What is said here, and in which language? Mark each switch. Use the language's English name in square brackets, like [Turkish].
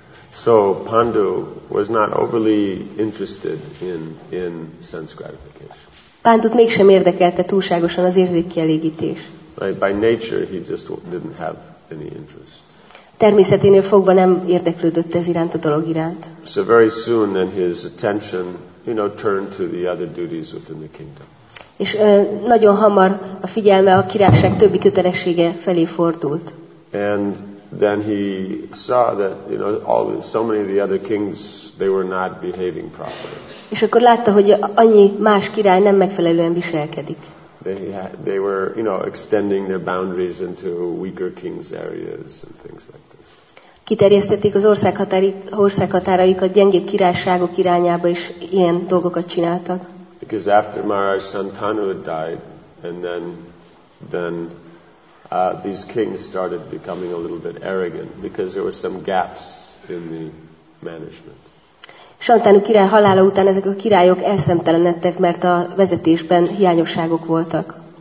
[English] So, Pandu was not overly interested in sense gratification. [Hungarian] Pandut mégsem érdekelte túlságosan az érzékkielégítés. [English] Like, by nature, he just didn't have any interest. [Hungarian] Természeténél fogva nem érdeklődött ez iránt a dolog iránt. [English] So very soon then his attention, you know, turned to the other duties within the kingdom. [Hungarian] És nagyon hamar a figyelme a királyság többi kötelessége felé fordult. [English] And then he saw that, you know, all so many of the other kings, they were not behaving properly. [Hungarian] És akkor látta, hogy annyi más király nem megfelelően viselkedik. [English] They were, you know, extending their boundaries into weaker kings' areas and things like this. [Hungarian] Kiterjesztették az országhatáraikat gyengébb királyságok irányába, és ilyen dolgokat csináltak. [English] Because after Maharaj Santanu had died, and then these kings started becoming a little bit arrogant because there were some gaps in the management. [Hungarian] Santanu király halála után ezek a királyok elszemtelenedtek, mert a vezetésben hiányosságok voltak.